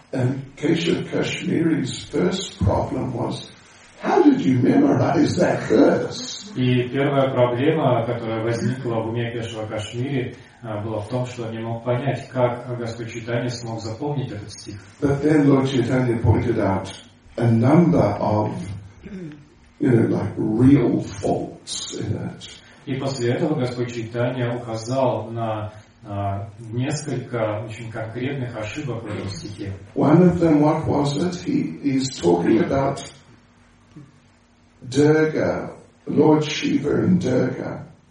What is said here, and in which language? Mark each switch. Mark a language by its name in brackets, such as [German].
[English] And Keshav Kashmiri's first problem was, how did you memorize that verse? [Russian] И первая проблема, которая возникла в уме Кешава Кашмири, была в том, что он не мог понять, как Господь Чайтанья смог запомнить этот стих. [English] But then Lord Chaitanya pointed out a number of, you know, like real faults in it. [Russian] И после этого Господь Чайтанья указал на несколько очень конкретных ошибок в этом стихе. [English] One of them, what was it? He is talking about Durga, Lord Shiva in Durga.